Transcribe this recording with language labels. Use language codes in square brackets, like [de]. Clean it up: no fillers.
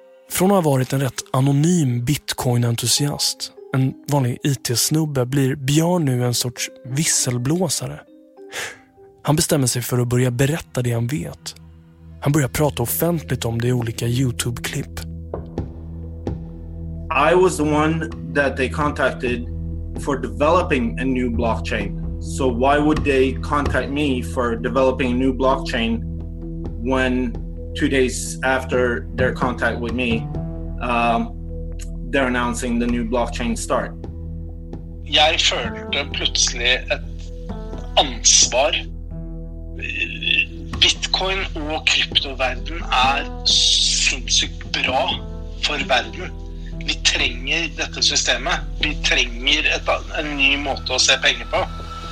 [sv] Från att ha varit en rätt anonym bitcoin-entusiast, en vanlig IT-snubbe, blir Björn nu en sorts visselblåsare. Han bestämmer sig för att börja berätta det han vet. Han börjar prata offentligt om det i olika YouTube-klipp. [en] I was the one that they contacted for developing a new blockchain. So why would they contact me for developing a new blockchain when 2 days after their contact with me, they're announcing the new blockchain start? [sv] Jag kände plötsligt ett ansvar. Bitcoin och kryptovärlden är sinnssykt bra för världen. [no] Vi trenger detta systemet. Vi trenger en ny måte att se pengar på.